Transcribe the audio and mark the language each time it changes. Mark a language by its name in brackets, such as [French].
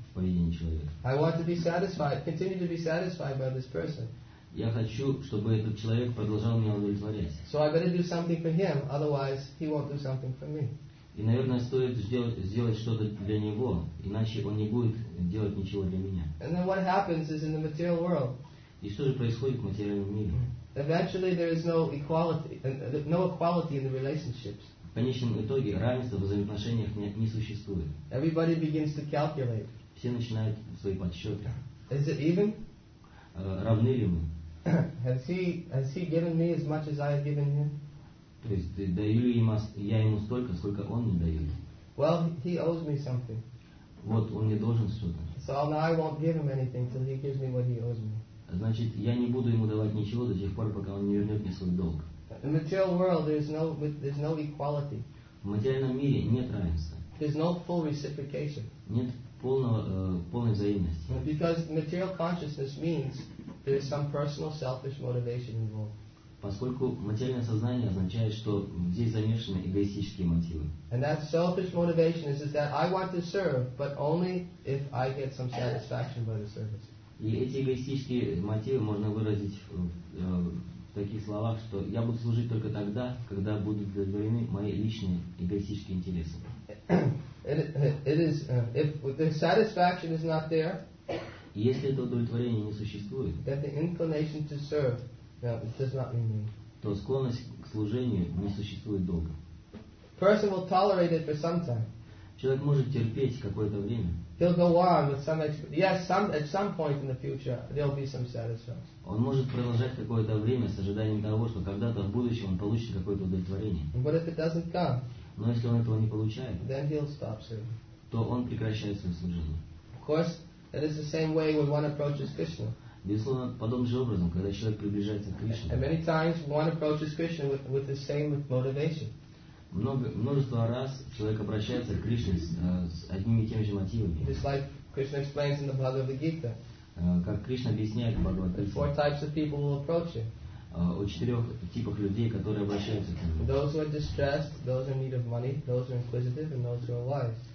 [English] I want to be satisfied, continue to be satisfied by this person. [Russian] Я хочу, чтобы этот человек продолжал меня удовлетворять. [English] So I better do something for him, otherwise he won't do something for me. [Russian] И, наверное, стоит сделать что-то для него, иначе он не будет делать ничего для меня. [English] And then what happens is in the material world. [Russian] И что же происходит в материальном мире? [English] Eventually there is no equality in the relationships. [Russian] В конечном итоге равенства в взаимоотношениях не существует. [English] Everybody begins to calculate. [Russian] Все начинают свои подсчеты. [English] Is it even? [Russian] Равны ли мы? [English] Has he given me as much as I have given him? [Russian] То есть даю ли я ему столько, сколько он мне дает? [English] Well, he owes me something. [Russian] Вот он мне должен что-то. [English] So I won't give him anything till he gives me what he owes me. [Russian] Значит, я не буду ему давать ничего до тех пор, пока он не вернет мне свой долг. [English] In the material world, there's no equality. [Russian] В материальном мире нет равенства. [English] There's no full reciprocation. [Russian] Нет. Полной взаимности. [English] Because material consciousness means there is some personal selfish motivation involved. [Russian] Поскольку материальное сознание означает, что здесь замешаны эгоистические мотивы. [English] And that selfish motivation is that I want to serve, but only if I get some satisfaction by the service. [Russian] И эти эгоистические мотивы можно выразить в таких словах, что я буду служить только тогда, когда будут удовлетворены мои личные эгоистические интересы. [English] If the satisfaction is not there, [Russian] если это удовлетворение не существует, [English] then the inclination to serve does not remain. [Russian] То склонность к служению не существует долго. [English] Person will tolerate it for some time. [Russian] Человек может терпеть какое-то время. [English] He'll go on with some at some point in the future there'll be some satisfaction. [Russian] Он может продолжать какое-то время с ожиданием того, что когда-то в будущем он получит какое-то удовлетворение. [English] But if it doesn't come. [Russian] Но если он этого не получает, [English] then he'll stop serving. [Russian] То он прекращает свое служение. [English] Of course, that is the same way when one approaches Krishna. [Russian] Безусловно, подобным же образом, когда человек приближается к Кришне. [English] And many times one approaches Krishna with the same motivation. [Russian] Множество раз человек обращается к Кришне с одними и теми же мотивами. [English] Just like Krishna explains in the Bhagavad Gita. [Russian] Как Кришна объясняет в Бхагавад Гите. [English] Four types of people will approach him. [Russian] О четырех типах людей, которые обращаются к нему. [English] Those who are distressed, those in need of money, those who are inquisitive, and those who are wise.